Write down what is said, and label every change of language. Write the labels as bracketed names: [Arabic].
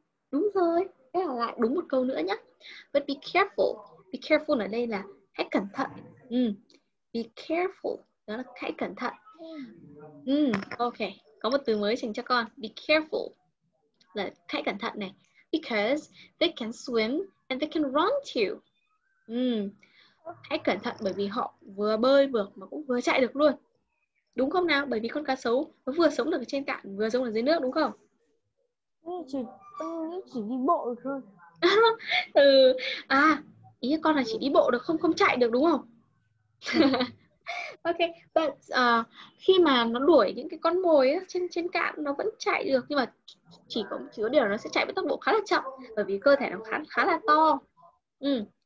[Vietnamese] Đúng rồi. Thế là lại đúng một câu nữa nhá. [English] But be careful. Be careful [Vietnamese] ở đây là hãy cẩn thận. Ừ. [English] Be careful. [Vietnamese] Đó là hãy cẩn thận. Ừ, ok. Có một từ mới dành cho con. [English] Be careful. [Vietnamese] Là hãy cẩn thận này. [English] Because they can swim and they can run too. [Vietnamese] Ừ. Hãy cẩn thận bởi vì họ vừa bơi được mà cũng vừa chạy được luôn. Đúng không nào? Bởi vì con cá sấu nó vừa sống được ở trên cạn, vừa sống ở dưới nước, đúng không? Chỉ đi bộ được thôi. Ừ. À, ý con là chỉ đi bộ được, không không chạy được đúng không? [English] Ok, but [Vietnamese] khi mà nó đuổi những cái con mồi ấy, trên cạn nó vẫn chạy được, nhưng mà chỉ có một chứa điều nó sẽ chạy với tốc độ khá là chậm bởi vì cơ thể nó khá là to. Ừ.